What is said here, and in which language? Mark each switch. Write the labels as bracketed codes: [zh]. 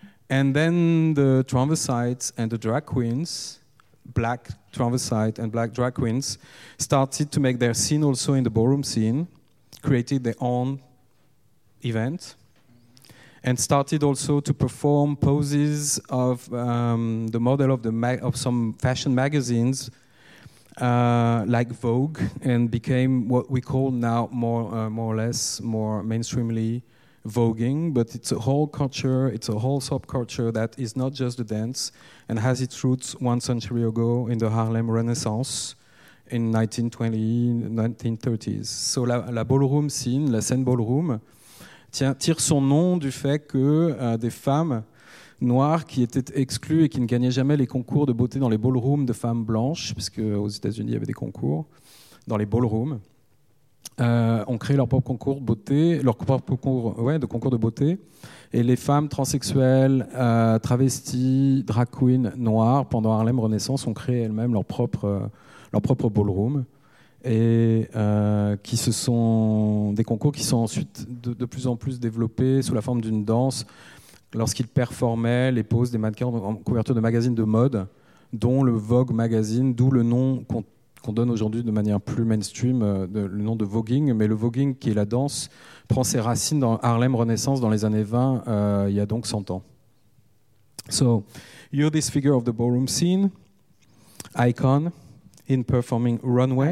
[en] And then the transvestites and the drag queens, black transvestites and black drag queens, started to make their scene also in the ballroom scene, created their own event, and started also to perform poses of the model of some fashion magazines, like Vogue, and became what we call now more or less mainstreamly voguing. But it's a whole culture, it's a whole subculture that is not just the dance and has its roots 1 century ago in the Harlem Renaissance in 1930s. [fr] So la ballroom scene, la scène ballroom, tire son nom du fait que des femmes noires qui étaient exclues et qui ne gagnaient jamais les concours de beauté dans les ballrooms de femmes blanches, parce qu'aux États-Unis il y avait des concours dans les ballrooms, ont créé leur propre concours de beauté. Et les femmes transsexuelles, travesties, drag queens noires, pendant Harlem Renaissance, ont créé elles-mêmes leur propre ballroom, et qui se sont des concours qui sont ensuite de plus en plus développés sous la forme d'une danse. Lorsqu'ils performaient les poses des mannequins en couverture de magazines de mode, dont le Vogue magazine, d'où le nom qu'on donne aujourd'hui de manière plus mainstream, le nom de voguing. Mais le voguing, qui est la danse, prend ses racines dans Harlem Renaissance dans les années 20, il y a donc 100 ans. [en] So, you're this figure of the ballroom scene, icon in performing runway.